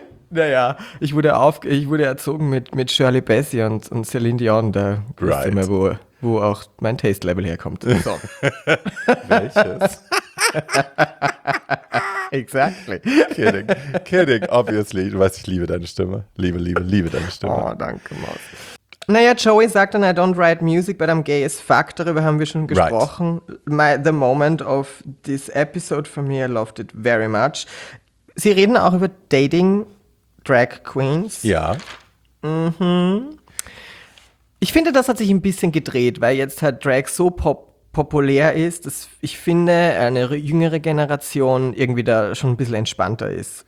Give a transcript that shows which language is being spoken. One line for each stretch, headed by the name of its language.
German: Naja, ich wurde erzogen mit Shirley Bassey und Celine Dion. Da wisst ihr mal, wo auch mein Taste-Level herkommt. So. Welches?
English: Exactly. Kidding, obviously.
German: Du weißt, ich liebe deine Stimme. Liebe deine Stimme. Oh, danke, Maus. Naja, Joey sagt dann,
English: I don't write music, but I'm gay as fuck.
German: Darüber haben wir schon gesprochen.
English: Right. The moment of this episode for me, I loved it very much.
German: Sie reden auch über Dating Drag Queens. Ja. Mhm. Ich finde, das hat sich ein bisschen gedreht, weil jetzt halt Drag so populär ist, dass ich finde, eine jüngere Generation irgendwie da schon ein bisschen entspannter ist.